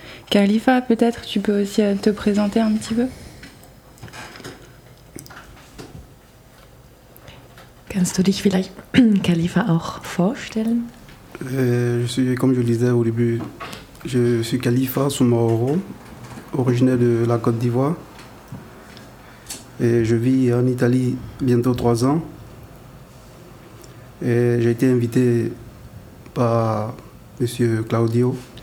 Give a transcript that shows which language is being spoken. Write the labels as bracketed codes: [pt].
[fr] Khalifa, peut-être tu peux aussi te présenter un petit peu. [de] Kannst du dich vielleicht, Khalifa, auch vorstellen? [fr] Je suis, comme je le disais au début, je suis Khalifa Soumaoro, originaire de la Côte d'Ivoire. Et je vis en Italie bientôt 3 ans. Et j'ai été invité par Monsieur Claudio.